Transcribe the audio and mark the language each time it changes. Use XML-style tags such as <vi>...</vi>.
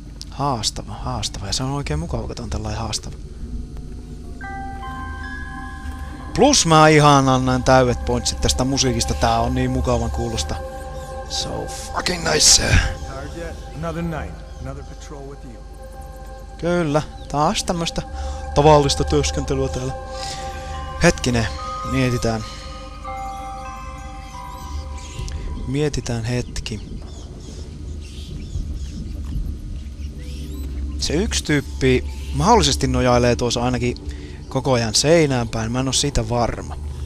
<fi>Haastava. Ja se on oikein mukava, kun on tällainen haastava. Plus mä ihan annan täydet pointsit tästä musiikista. Tää on niin mukavan kuulosta.</fi> <en>So fucking nice. Another night, another patrol with you.</en> <fi>Kyllä, taas tämmöstä tavallista työskentelyä täällä. Hetkinen, mietitään. Mietitään hetki. Se yksi tyyppi mahdollisesti nojailee tuossa ainakin koko ajan seinään päin. Mä en oo siitä varma.</fi>